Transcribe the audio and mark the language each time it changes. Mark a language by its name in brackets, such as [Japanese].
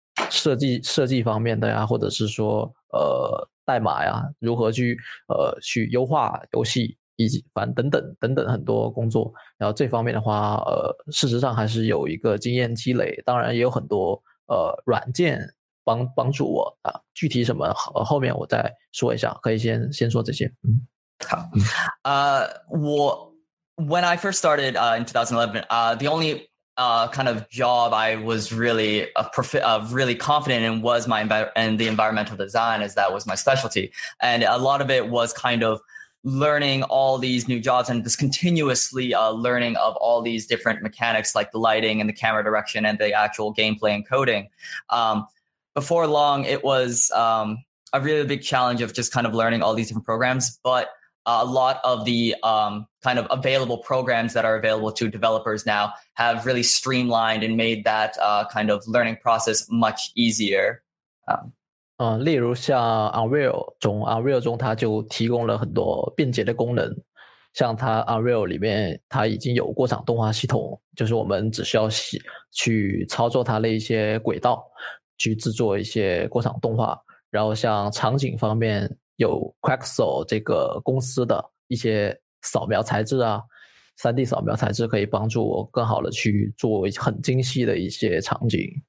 [Chinese] 设计方面的呀，或者是说代码呀，如何去优化游戏，以及反正等等很多工作，然后这方面的话事实上还是有一个经验积累，当然也有很多软件帮助我啊，具体什么后面我再说一下，可以先说这些。 [English] When I first started in 2011, the onlykind of job I was really really confident in was the environmental design, as that was my specialty. And a lot of it was kind of learning all these new jobs and just continuously learning of all these different mechanics like the lighting and the camera direction and the actual gameplay and coding. Before long, it was a really big challenge of just kind of learning all these different programs, but a lot of the kind of available programs that are available to developers now have really streamlined and made that kind of learning process much easier. [Chinese] 例如像 Unreal 中它就提供了很多便捷的功能，像它 Unreal 里面它已经有过场动画系统，就是我们只需要去操作它的一些轨道去制作一些过场动画，然后像场景方面有 Quacksol 这个公司的一些扫描材质啊 ,3D 扫描材质可以帮助我更好的去做很精细的一些场景。